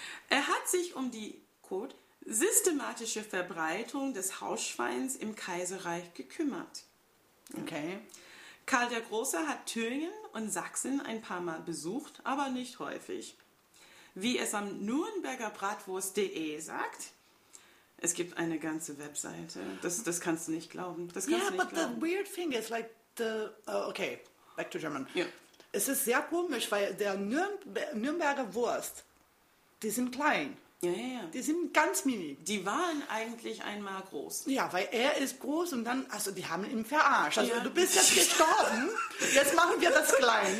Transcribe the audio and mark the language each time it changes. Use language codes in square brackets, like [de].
[de] Er hat sich um die, quote, systematische Verbreitung des Hausschweins im Kaiserreich gekümmert. Okay. Karl der Große hat Thüringen und Sachsen ein paar Mal besucht, aber nicht häufig. Wie es am nurnbergerbratwurst.de sagt, es gibt eine ganze Webseite. Das kannst du nicht glauben. Das kannst du nicht glauben. [en] Yeah, but the weird thing is like the, okay, back to German. Yeah. [de] Es ist sehr komisch, weil der Nürnberger Wurst, die sind klein. Ja, ja, ja. Die sind ganz mini. Die waren eigentlich einmal groß. Ja, weil er ist groß und dann, also die haben ihn verarscht. Also ja. Du bist jetzt gestorben, jetzt machen wir das klein.